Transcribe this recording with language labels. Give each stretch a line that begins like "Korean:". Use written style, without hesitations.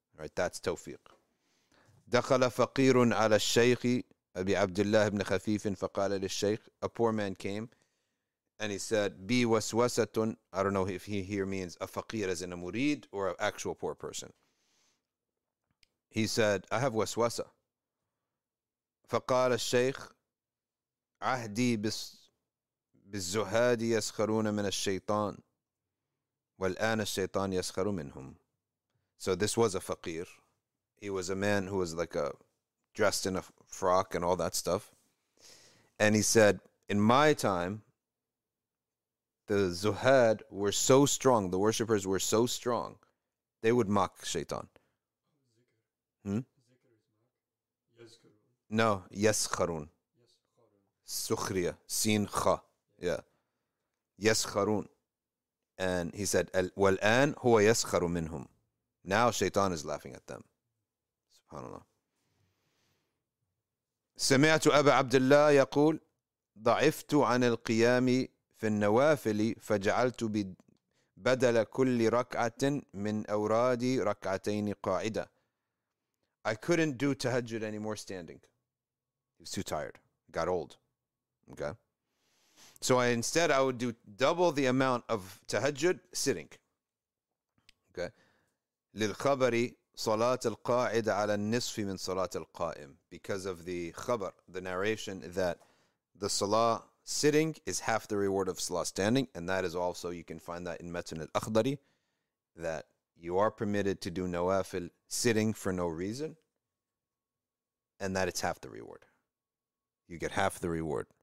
English: Right? That's tawfiq.
Arabic: دَخَلَ فَقِيرٌ عَلَى الشَّيْخِ أَبِي عَبْدِ اللَّهِ بْنِ خَفِيفٍ فَقَالَ لِلشَّيْخِ.
English: A poor man came, and he said,
Arabic: "Bi waswasatun."
English: I don't know if he here means a faqir as in a murid or an actual poor person. He said, "I have waswasa."
Arabic: فقال الشيخ عهدي بالزهاد يسخرون من الشيطان والآن الشيطان يسخر منهم.
English: So this was a faqir. He was a man who was like dressed in a frock and all that stuff. And he said, "In my time, the Zuhad were so strong, the worshippers were so strong, they would mock Shaitan. No, Yaskharun. Sukhriya. Sin Kha. Yeah. Yaskharun. And he said,
Arabic: Wal'an huwa yaskharu minhum.
English: Now Shaitan is laughing at them. SubhanAllah.
Arabic: سمعت أبا عبد الله يقول ضعفت عن القيام في النوافل فجعلت بدل كل ركعة من أورادي ركعتين قاعدة.
English: I couldn't do tahajjud anymore standing. He was too tired. Got old. Okay. So I would do double the amount of tahajjud sitting. Okay.
Arabic: للخبري صلاة القاعد على النصف من صلاة القائم.
English: Because of the khabar, the narration that the salah sitting is half the reward of salah standing. And that is also, you can find that in Matan al-Akhdari, that you are permitted to do nawafil sitting for no reason. And that it's half the reward. You get half the reward.